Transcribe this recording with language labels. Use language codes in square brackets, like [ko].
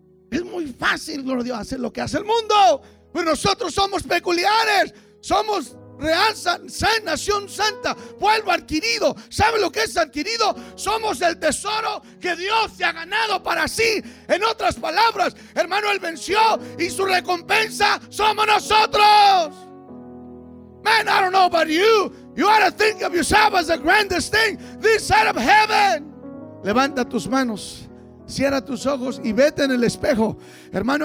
[es] Es muy fácil, gloria a Dios, hacer lo que hace el mundo, pero nosotros somos peculiares, somos real nación santa, pueblo adquirido. ¿Sabe lo que es adquirido? Somos el tesoro que Dios se ha ganado para sí. En otras palabras, hermano, Él venció y su recompensa somos nosotros. [en] Man, I don't know about you, you ought to think of yourself as the grandest thing this side of heaven. [es] Levanta tus manos, cierra tus ojos y vete en el espejo, hermano.